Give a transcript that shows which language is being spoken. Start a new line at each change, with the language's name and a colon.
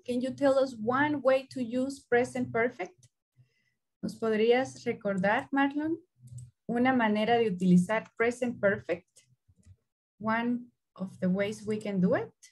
English: Can you tell us one way to use present perfect?
Spanish: ¿Nos podrías recordar, Marlon, una manera de utilizar present perfect?
English: One of the ways we can do it?